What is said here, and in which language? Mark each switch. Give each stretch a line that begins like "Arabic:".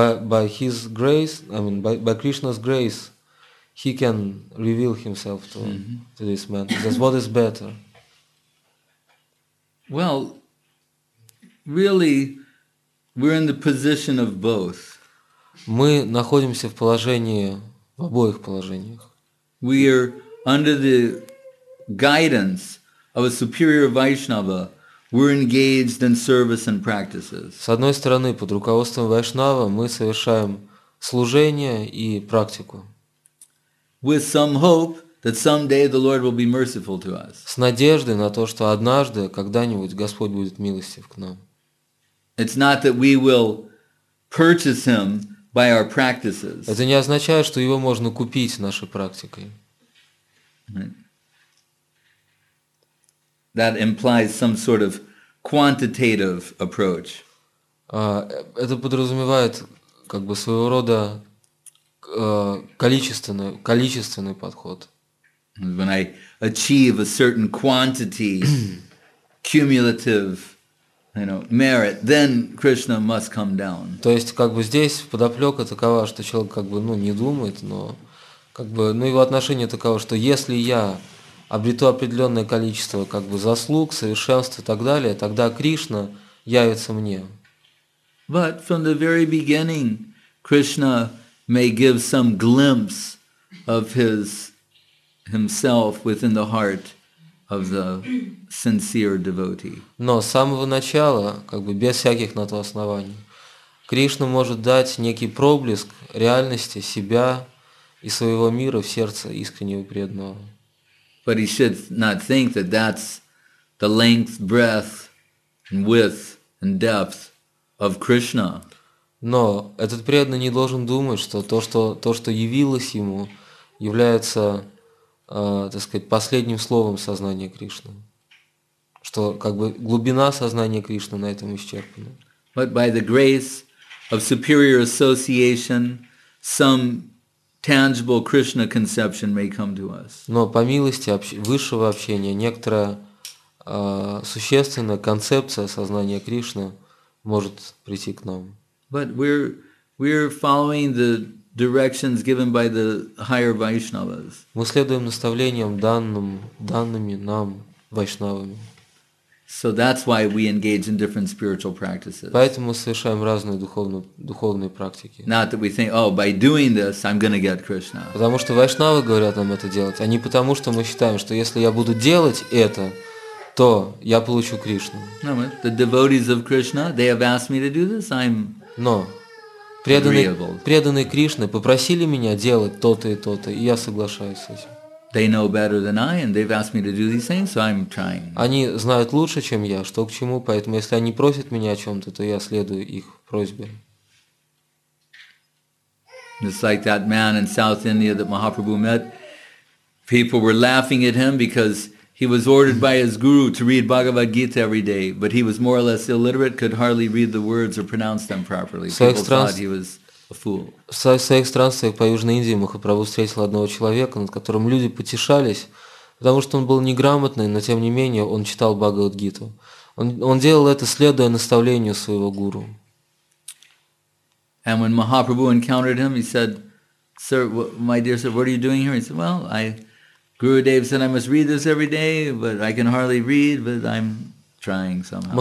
English: By his grace, I mean by Krishna's grace, he can reveal himself to this man. That's what is better. Well, really, we're in the position of both.
Russian: Мы находимся в положении, в обоих положениях.
English: We are under the guidance of a superior Vaishnava, we're engaged in service and practices.
Russian: С одной стороны, под руководством Вайшнава мы совершаем служение и практику.
English: With some hope that someday the Lord will be merciful to us.
Russian: С надеждой на то, что однажды, когда-нибудь Господь будет милостив к нам.
English: It's not that we will purchase him by our practices.
Russian: Это не означает, что его можно купить нашей практикой.
English: That implies some sort of quantitative approach.
Russian: Это подразумевает как бы своего рода количественный подход.
English: When I achieve a certain quantity, cumulative, you know, merit, then Krishna must come down.
Russian: То есть как бы здесь подоплёка такова, что человек как бы, ну, не думает, но как бы, ну, его отношение таково, что если я обрету определенное количество как бы заслуг, совершенства и так далее, тогда Кришна явится мне.
English: But from the very beginning, Krishna may give some glimpse of himself within the heart of the sincere devotee.
Russian: Но с самого начала, как бы без всяких на то оснований, Кришна может дать некий проблеск реальности себя и своего мира в сердце искреннего преданного.
English: But he should not think that that's the length, breadth, and width, and depth of Krishna.
Russian: Но этот преданный не должен думать, что то, что явилось ему, является, так сказать, последним словом сознания Кришны. Что как бы глубина сознания Кришны на этом исчерпана.
English: But by the grace of superior association, some tangible Krishna conception may come to us.
Russian: Но по милости высшего общения некоторая существенная концепция сознания Кришны может прийти к нам.
English: But we're following the directions given by the higher Vaishnavas.
Russian: Мы следуем наставлениям данными нам Вайшнавами.
English: So that's why we engage in different spiritual practices.
Russian: Поэтому совершаем разные духовные практики.
English: Not that we think, oh, by doing this, I'm going to get Krishna.
Russian: Потому что вайшнавы говорят нам это делать, а не потому что мы считаем, что если я буду делать это, то я получу Кришну.
English: No, the devotees of Krishna, they have asked me to do this, I'm
Russian: Но преданные Кришны попросили меня делать то-то и то-то, и я соглашаюсь с этим.
English: They know better than I, and they've asked me to do these things, so I'm trying.
Russian: Они знают лучше, чем я, что к чему, поэтому если они просят меня о чем-то, то я следую их просьбе.
English: It's like that man in South India that Mahaprabhu met. People were laughing at him because He was ordered by his guru to read Bhagavad Gita every day, but he was more or less illiterate, could hardly read the words or pronounce them properly. People thought he was a fool.
Russian: В своих странствиях по Южной Индии Махапрабху встретил одного человека, над которым люди потешались, потому что он был неграмотный, но тем не менее он читал Бхагавад Гиту. Он делал это, следуя наставлению своего гуру.
English: And when Mahaprabhu encountered him, he said, "Sir, my dear sir, what are you doing here?" He said, "Well, I Gurudev said I must read this every day, but I can hardly read, but I'm trying somehow."